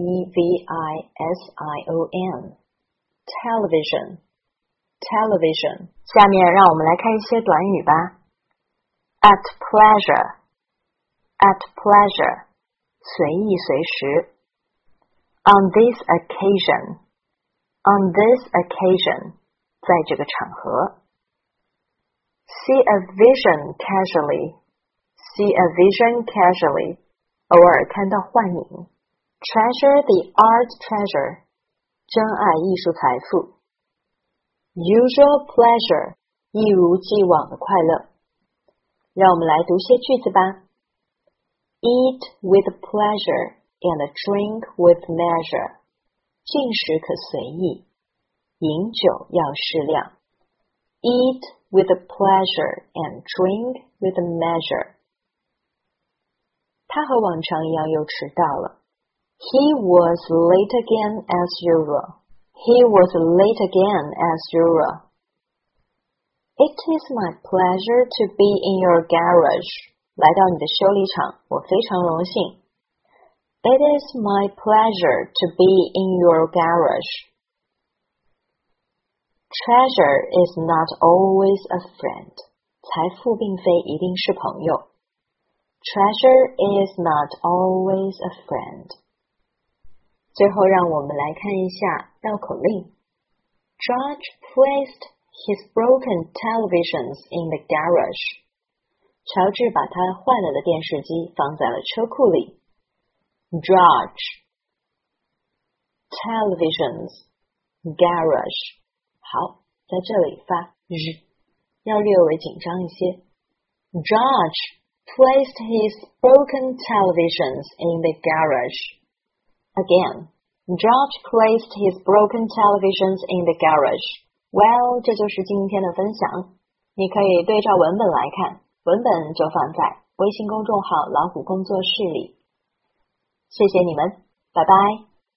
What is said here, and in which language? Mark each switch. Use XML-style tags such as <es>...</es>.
<en>T-E-L-E-V-I-S-I-O-N Television Television</en> <zh>下面让我们来看一些短语吧。</zh> <en>At pleasure At pleasure</en> <zh>随意随时。</zh> <en>On this occasion On this occasion</en> <zh>在这个场合。</zh> <en>See a vision casually See a vision casually</en> <zh>偶尔看到幻影</zh> <en>，treasure the art treasure，</en> <zh>珍爱艺术财富。</zh> <en>Usual pleasure，</en> <zh>一如既往的快乐。让我们来读些句子吧。</zh> <en>Eat with pleasure and drink with measure，</en> <zh>进食可随意，饮酒要适量。</zh> <en>Eat with pleasure and drink with measure。</en> <zh>他和往常一样又迟到了。</zh> <en>He was late again as usual. He was late again as usual. It is my pleasure to be in your garage.</en> <zh>来到你的修理厂，我非常荣幸。</zh> <en>It is my pleasure to be in your garage. Treasure is not always a friend.</en> <zh>财富并非一定是朋友。</zh> <en>Treasure is not always a friend.</en> <zh>最后让我们来看一下绕口令。</zh> <en>Judge placed his broken televisions in the garage.</en> <zh>乔治把他坏了的电视机放在了车库里。</zh> <en>George. Televisions. Garage.</en> <zh>好，在这里发 z， 要略微紧张一些。</zh> <en>George placed his broken televisions in the garage. Again, George placed his broken televisions in the garage.</en> <zh>Well, 这就是今天的分享。你可以对照文本来看，文本就放在微信公众号老虎工作室里。谢谢你们，拜拜。</zh>